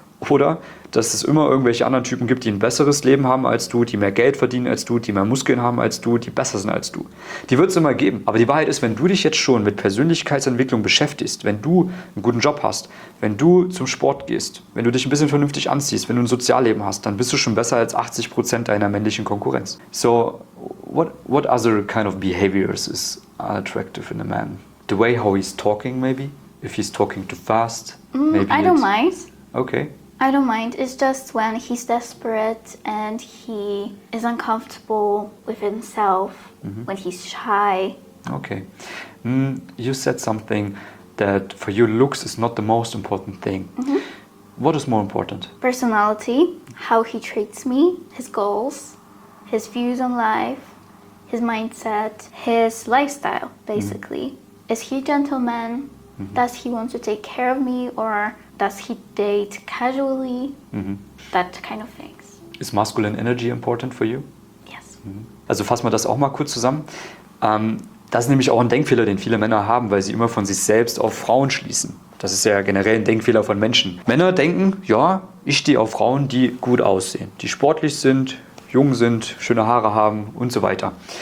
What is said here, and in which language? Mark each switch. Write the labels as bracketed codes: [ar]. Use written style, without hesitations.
[de] Oder dass es immer irgendwelche anderen Typen gibt, die ein besseres Leben haben als du, die mehr Geld verdienen als du, die mehr Muskeln haben als du, die besser sind als du. Die wird es immer geben. Aber die Wahrheit ist, wenn du dich jetzt schon mit Persönlichkeitsentwicklung beschäftigst, wenn du einen guten Job hast, wenn du zum Sport gehst, wenn du dich ein bisschen vernünftig anziehst, wenn du ein Sozialleben hast, dann bist du schon besser als 80% deiner männlichen Konkurrenz. [en] So, what other kind of behaviors is attractive in a man? The way how he's talking maybe? If he's talking too fast? Maybe I don't mind. Okay. I don't mind. It's just when he's desperate and he is uncomfortable with himself, mm-hmm. when he's shy. Okay. You said something that for you looks is not the most important thing. Mm-hmm. What is more important? Personality, how he treats me, his goals, his views on life, his mindset, his lifestyle, basically. Mm-hmm. Is he a gentleman? Mm-hmm. Does he want to take care of me, or does he date casually? Mm-hmm. That kind of things. Is masculine energy important for you? Yes. Mm-hmm. [de] Also fassen wir das auch mal kurz zusammen. Das ist nämlich auch ein Denkfehler, den viele Männer haben, weil sie immer von sich selbst auf Frauen schließen. Das ist ja generell ein Denkfehler von Menschen. Männer denken, ja, ich stehe auf Frauen, die gut aussehen, die sportlich sind, jung sind, schöne Haare haben und so weiter.